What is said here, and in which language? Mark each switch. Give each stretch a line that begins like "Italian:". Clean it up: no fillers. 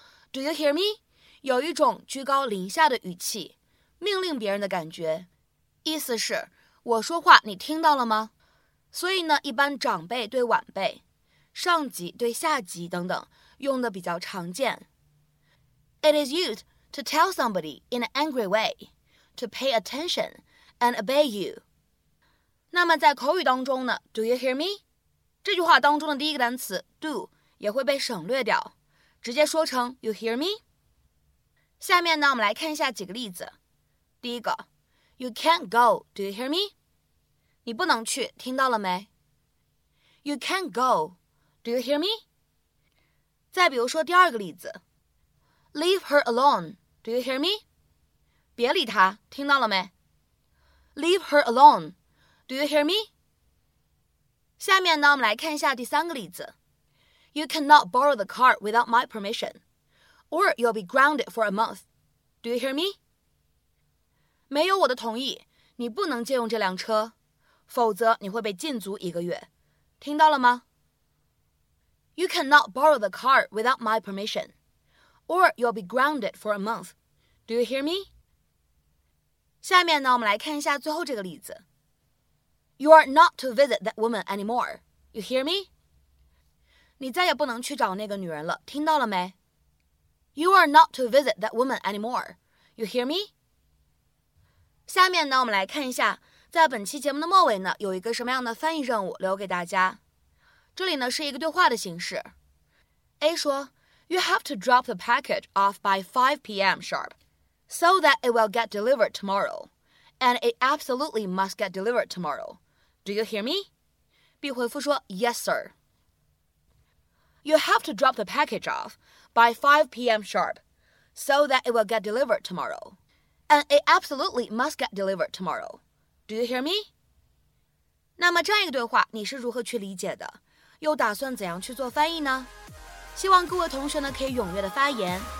English: Do you hear me?
Chinese: 有一种居高临下的语气，命令别人的感觉。意思是我说话你听到了吗？所以呢，一般长辈对晚辈，上级对下级等等用的比较常见。
English: It is used to tell somebody in an angry way to pay attention and obey you.
Chinese: 那么在口语当中呢，
English: Do you hear me?
Chinese: 这句话当中的第一个单词 do 也会被省略掉，直接说成
English: you hear me?
Chinese: 下面呢，我们来看一下几个例子。
English: 第一个，You can't go, do you hear me?
Chinese: 你不能去，听到了没？
English: You can't go, do you hear me? 再比如说第二个例子。Leave her alone, do you hear me?
Chinese: 别理她，听到了没？
English: Leave her alone, do you hear me?
Chinese: 下面呢，我们来看一下第三个例子。
English: You cannot borrow the car without my permission, or you'll be grounded for a month, do you hear me?
Chinese: 没有我的同意，你不能借用这辆车，否则你会被禁足一个月，听到了吗？
English: You cannot borrow the car without my permission, or you'll be grounded for a month. Do you hear me?
Chinese: 下面呢，我们来看一下最后这个例子。
English: You are not to visit that woman anymore. You hear me?
Chinese: 你再也不能去找那个女人了，听到了没？
English: You are not to visit that woman anymore. You hear me?
Chinese: 下面呢，我们来看一下在本期节目的末尾呢，有一个什么样的翻译任务留给大家。这里呢是一个对话的形式。
English: A 说 You have to drop the package off by 5 p.m. sharp so that it will get delivered tomorrow, and it absolutely must get delivered tomorrow. Do you hear me? B
Chinese: 回复说
English: Yes sir. You have to drop the package off by 5 p.m. sharp so that it will get delivered tomorrow. And it absolutely must get delivered tomorrow. Do you hear me?
Chinese: 那么这样一个对话你是如何去理解的？又打算怎样去做翻译呢？希望各位同学呢可以踊跃的发言。